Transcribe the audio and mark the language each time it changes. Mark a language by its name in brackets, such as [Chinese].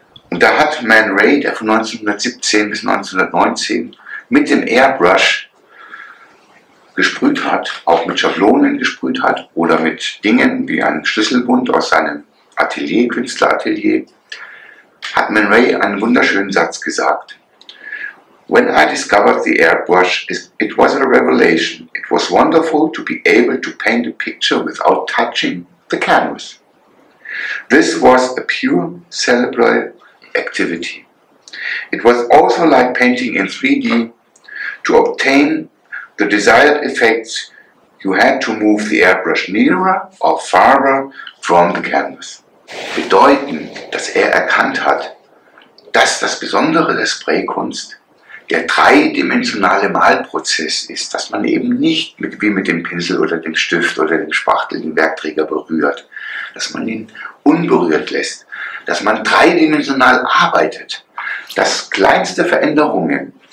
[German] Und da hat Man Ray, der von 1917 bis 1919 mit dem Airbrush gesprüht hat, auch mit Schablonen gesprüht hat oder mit Dingen wie einem Schlüsselbund aus seinem Atelier, Künstleratelier, hat Man Ray einen wunderschönen Satz gesagt. [English] When I discovered the airbrush, it was a revelation. It was wonderful to be able to paint a picture without touching the canvas. This was a pure cerebral activity. It was also like painting in 3D. To obtain the desired effects, you had to move the airbrush nearer or farther from the canvas. [German] Bedeuten, dass er erkannt hat, dass das Besondere der Spraykunst der dreidimensionale Malprozess ist, dass man eben nicht wie mit dem Pinsel oder dem Stift oder dem Spachtel den Werkträger berührt, dass man ihn unberührt lässt, dass man dreidimensional arbeitet, dass kleinste Veränderungen